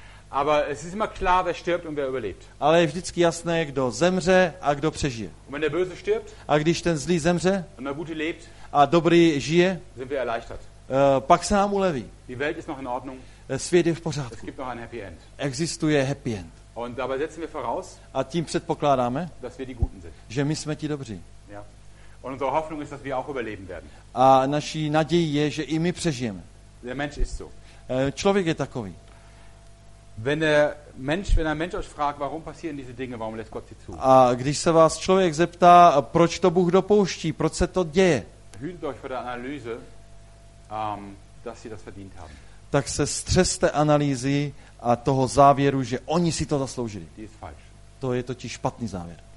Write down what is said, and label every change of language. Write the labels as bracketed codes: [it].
[de] Aber es ist immer klar, wer stirbt und wer überlebt. [cs] Ale je vždycky jasné, kdo zemře a kdo přežije. [de] Und wenn der Böse stirbt, [cs] a když ten zlý zemře [de] und der Gute lebt, [cs] a dobrý žije, [de] sind wir erleichtert. [cs] Pak se nám uleví. [de] Die Welt ist noch in Ordnung. [cs] Svět je v pořádku. [de] Es gibt noch ein happy end. [cs] Existuje happy end. [de] Und dabei setzen wir voraus, [cs] a tím předpokládáme, [de] dass wir die Guten sind. [cs] Že my jsme ti dobří. [de] Ja. Und unsere Hoffnung ist, dass wir auch überleben werden. [cs] A naší naději je, že i my přežijeme. [de] Der Mensch ist so. [cs] Člověk je takový. [de] Wenn ein Mensch euch fragt, warum passieren diese Dinge, warum lässt Gott sie zu? [cs] A když se vás člověk zeptá, proč to Bůh dopouští, proč se to děje? [de] Hütet euch vor der Analyse, dass sie das verdient haben. [cs] Tak se střeste analýzy a toho závěru, že oni si to zasloužili. [de] Die ist falsch. [cs] To je totiž špatný závěr.